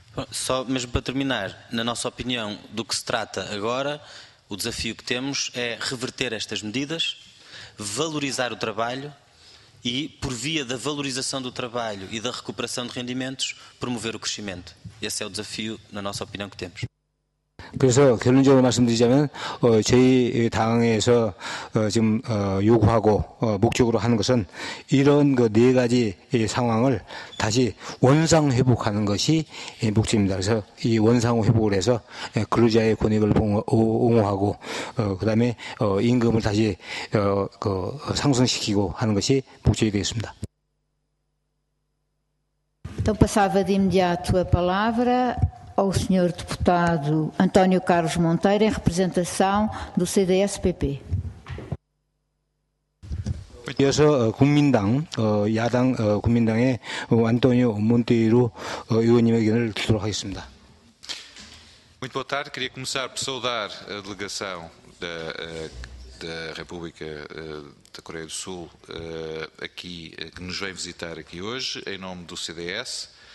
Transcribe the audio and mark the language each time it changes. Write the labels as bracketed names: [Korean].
[Portuguese] Só mesmo para terminar, na nossa opinião, do que se trata agora, o desafio que temos é reverter estas medidas, valorizar o trabalho e, por via da valorização do trabalho e da recuperação de rendimentos, promover o crescimento. Esse é o desafio, na nossa opinião, que temos. [Korean] 그래서 결론적으로 말씀드리자면 저희 당에서 지금 요구하고 목적으로 하는 것은 이런 그 네 가지 상황을 다시 원상 회복하는 것이 목적입니다. 그래서 이 원상 회복을 해서 근로자의 권익을 옹호하고 그다음에 임금을 다시 그 상승시키고 하는 것이 목적이 되겠습니다. [Portuguese] Então passava de imediato a palavra ao Sr. Deputado António Carlos Monteiro, em representação do CDS-PP. [Korean] 이어서 국민당, 야당 국민당의 안토니오 몬테이로 의원님의 의견을 듣도록 하겠습니다. [Portuguese] Muito boa tarde. Queria começar por saudar a delegação da República da Coreia do Sul aqui, que nos vem visitar aqui hoje, em nome do CDS.